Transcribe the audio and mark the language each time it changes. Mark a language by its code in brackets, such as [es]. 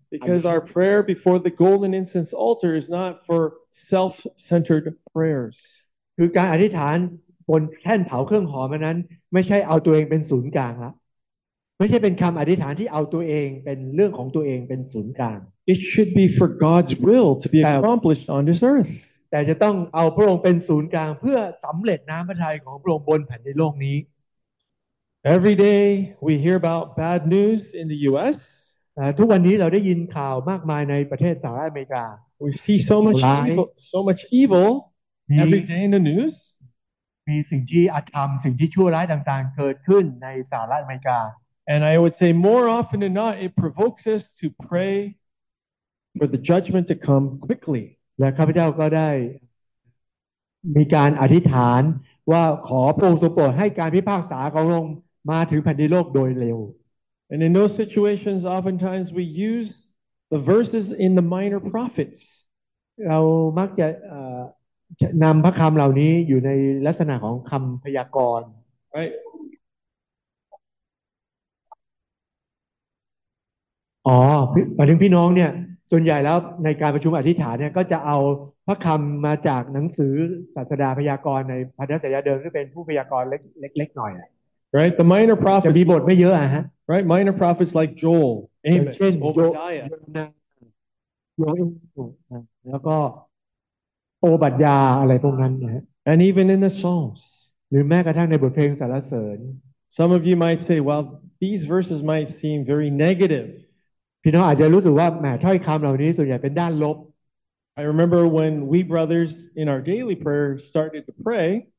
[en] Because our prayer before the golden incense altar is not for self-centered prayers. [th] คือการอธิษฐานบนแท่นเผาเครื่องหอมนั้นไม่ใช่เอาตัวเองเป็นศูนย์กลางละไม่ใช่เป็นคำอธิษฐานที่เอาตัวเองเป็นเรื่องของตัวเองเป็นศูนย์กลาง [en] It should be for God's will to be accomplished on this earth. [th] แต่จะต้องเอาพระองค์เป็นศูนย์กลางเพื่อสำเร็จน้ำพระทัยของพระองค์บนแผ่นในโลกนี้ [en] Every day we hear about bad news in the U.S. [th] ทุกวันนี้เราได้ยินข่าวมากมายในประเทศสหรัฐอเมริกา [en] We see so much evil every day in the news. [th] มีสิ่งที่อธรรมสิ่งที่ชั่วร้ายต่างๆเกิดขึ้นในสหรัฐอเมริกา [en] And I would say more often than not it provokes us to prayFor the judgment to come quickly. [th] และข้าพเจ้าก็ได้มีการอธิษฐานว่าขอพระองค์ทรงโปรดให้การพิพากษาของพระองค์มาถึงแผ่นดินโลกโดยเร็ว [en] And in those situations, oftentimes we use the verses in the minor prophets. [th] เรามักจะนำพระคำเหล่านี้อยู่ในลักษณะของคำพยากรณ์ [en] Right. [th] อ๋อหมายถึงพี่น้องเนี่ยส่วนใหญ่แล้วในการประชุมอธิษฐานเนี่ยก็จะเอาพระคำมาจากหนังสือศาสดาพยากรณ์ในพันธสัญญาเดิมที่เป็นผู้พยากรณ์เล็กๆหน่อย [en] Right the minor prophets [th] จะมีบทไม่เยอะอะฮะ [en] Right minor prophets like Joel Amos Obadiah [th] Joel แล้วก็โอบัดยาอะไรพวกนั้นนะ [en] And even in the Psalms [th] หรือแม้กระทั่งในบทเพลงสรรเสริญ [en] Some of you might say well these verses might seem very negative [th] พี่น้องอาจจะรู้สึกว่าแหมถ้อยคำเหล่านี้ส่วนใหญ่เป็นด้านลบ [en] I remember when we brothers in our daily prayer started to pray